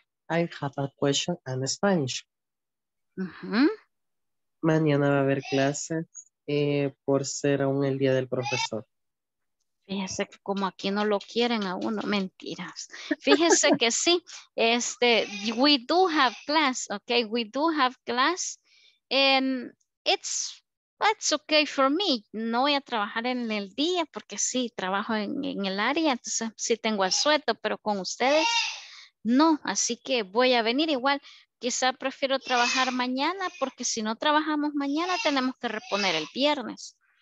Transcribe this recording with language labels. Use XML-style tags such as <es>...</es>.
<en>I have a question in Spanish. Uh-huh.</en> <es>Mañana va a haber clases por ser aún el día del profesor. Fíjese como aquí no lo quieren a uno, mentiras. Fíjese que sí,</es> <en>we do have class, okay? We do have class and it's okay for me.</en> <es>No voy a trabajar en el día porque sí, trabajo en el área, entonces sí tengo el sueldo, pero con ustedes no. Así que voy a venir igual, quizá prefiero trabajar mañana porque si no trabajamos mañana tenemos que reponer el viernes.</es>